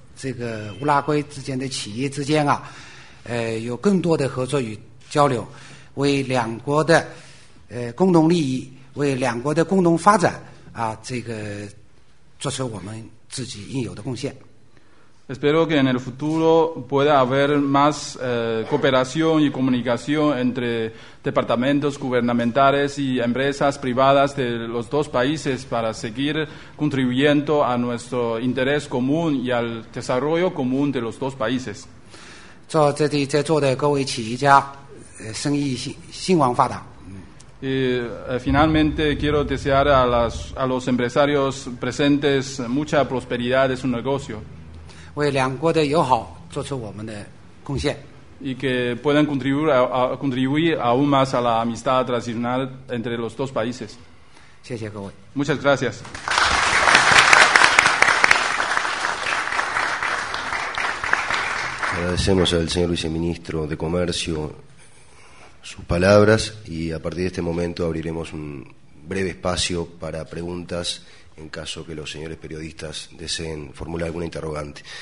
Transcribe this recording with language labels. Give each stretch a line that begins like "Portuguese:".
Chinese: 我希望中国政府的部门和中国和这个乌拉圭之间的企业之间啊 有更多的合作与交流，为两国的共同利益，为两国的共同发展啊，这个做出我们自己应有的贡献。
Spanish: Espero que en el futuro pueda haber más cooperación y comunicación entre departamentos gubernamentales y empresas privadas de los dos países para seguir contribuyendo a nuestro interés común y al desarrollo común de los dos países.
Chinese: 在座的各位企业家，生意兴旺发达。
Spanish: Finalmente quiero desear a los empresarios presentes mucha prosperidad de su negocio.
Chinese: 为两国的友好做出我们的贡献。
Spanish: Y que puedan contribuir aún más a la amistad tradicional entre los dos países.
Chinese: 谢谢各位。
Spanish: Muchas gracias. Agradecemos al señor viceministro de Comercio sus palabras y a partir de este momento abriremos un breve espacio para preguntas en caso que los señores periodistas deseen formular alguna interrogante.